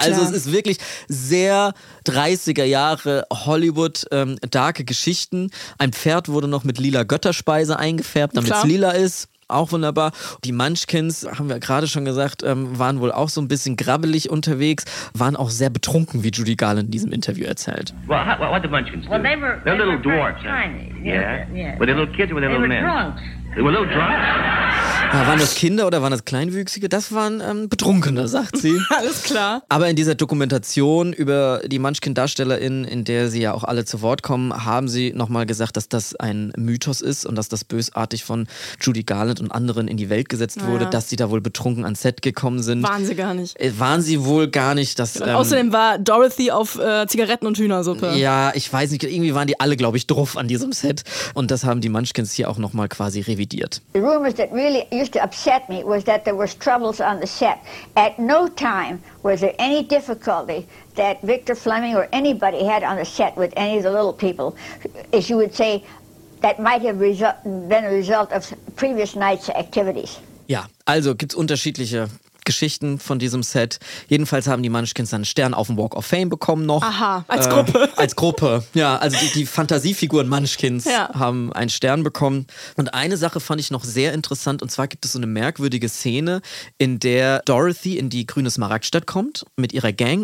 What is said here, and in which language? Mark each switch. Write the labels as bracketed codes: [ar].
[de] Also es ist wirklich sehr 30er Jahre Hollywood- darke Geschichten. Ein Pferd wurde noch mit lila Götterspeise eingefärbt, damit es lila ist. Auch wunderbar. Die Munchkins, haben wir gerade schon gesagt, waren wohl auch so ein bisschen grabbelig unterwegs, waren auch sehr betrunken, wie Judy Garland in diesem Interview erzählt. [en] Well, how, what the Munchkins do? Well, they were, they're little they were dwarfs. Tiny. Yeah. Were they little kids or were they little men? They were little drunks. [de] Waren das Kinder oder waren das Kleinwüchsige? Das waren Betrunkene, sagt sie. Alles klar. Aber in dieser Dokumentation über die Munchkin-DarstellerInnen, in der sie ja auch alle zu Wort kommen, haben sie nochmal gesagt, dass das ein Mythos ist und dass das bösartig von Judy Garland und anderen in die Welt gesetzt wurde, dass sie da wohl betrunken ans Set gekommen sind. Waren sie gar nicht. Waren sie wohl gar nicht. Dass, außerdem war Dorothy auf Zigaretten und Hühnersuppe. Ja, ich weiß nicht. Irgendwie waren die alle, glaube ich, druff an diesem Set. Und das haben die Munchkins hier auch nochmal quasi revidiert. [en] The rumors that really used to upset me was that there was troubles on the set. At no time was there any difficulty that Victor Fleming or anybody had on the set with any of the little people, as you would say, that might have been a result of previous night's activities. [de] Ja, also gibt's unterschiedliche Geschichten von diesem Set. Jedenfalls haben die Munchkins dann einen Stern auf dem Walk of Fame bekommen noch. Aha, als Gruppe. Als Gruppe, ja. Also die Fantasiefiguren Munchkins haben einen Stern bekommen. Und eine Sache fand ich noch sehr interessant. Und zwar gibt es so eine merkwürdige Szene, in der Dorothy in die grüne Smaragdstadt kommt mit ihrer Gang.